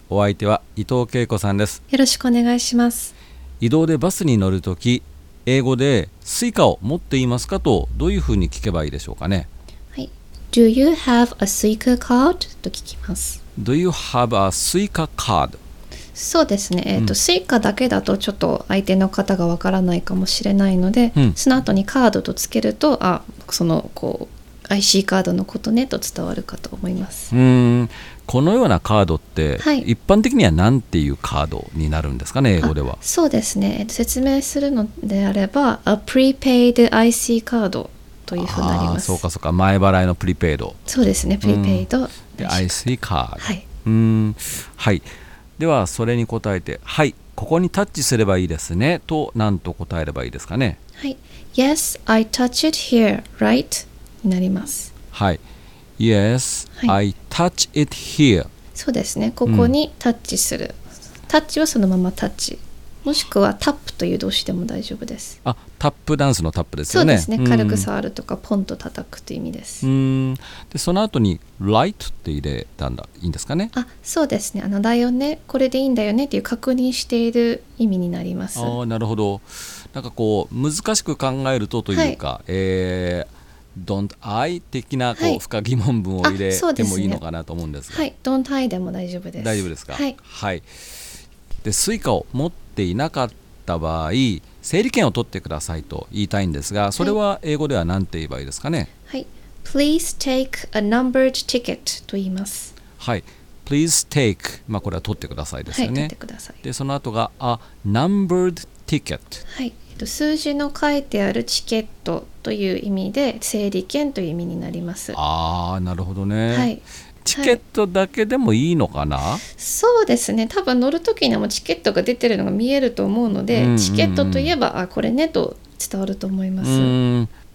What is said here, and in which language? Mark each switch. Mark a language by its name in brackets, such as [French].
[Japanese] お相手は伊藤恵子さんです。よろしくお願いします。移動でバスに乗るとき、英語でスイカを持っていますかとどういうふうに聞けばいいでしょうかね。 [English] はい、 Do you have a Suica card? [Japanese] と聞きます。 [English] Do you have a Suica card? [Japanese] そうですね、スイカだけだとちょっと相手の方がわからないかもしれないので、その後にカードとつけると、あ、そのこうIC カードのことねと伝わるかと思います。このようなカードって、一般的には何ていうカードになるんですかね、英語では。そうですね、説明するのであれば [English] A prepaid IC [Japanese] カードというふうになります。そうかそうか、前払いのプリペイド。そうですね、プリペイド、で IC カード、はい、はい、ではそれに答えて、はい、ここにタッチすればいいですねと何と答えればいいですかね。 [English] はい、 Yes, I touch it here, rightになります。はい、 Yes,、はい、I touch it here。 [Japanese] そうですね、ここにタッチする、タッチはそのままタッチ、もしくはタップという動詞でも大丈夫です。あ、タップダンスのタップですよね。そうですね、軽く触るとか、ポンと叩くという意味です。でその後に Right って入れたんだ、いいんですかね。あ、そうですね、あのだよね、これでいいんだよねっていう確認している意味になります。あ、なるほど。なんかこう難しく考えるとというか、はい、 [English] Don't I [Japanese] 的なこう深疑問文を入れてもいいのかなと思うんですが、はい、 [English] Don't I [Japanese] でも大丈夫です。大丈夫ですか。はい、はい、でスイカを持っていなかった場合、整理券を取ってくださいと言いたいんですが、それは英語では何て言えばいいですかね。 [English] はい、Please take a numbered ticket と言います。 [Japanese] はい、 [English] Please take、 [Japanese] まあ、これは取ってくださいですよね。はい、取ってください。でその後が [English] A numbered ticket。 [Japanese] はい、数字の書いてあるチケットという意味で、整理券という意味になります。あー、なるほどね。はい、チケットだけでもいいのかな。はい、そうですね、多分乗るときにもチケットが出てるのが見えると思うので、チケットといえば、あ、これねと伝わると思います。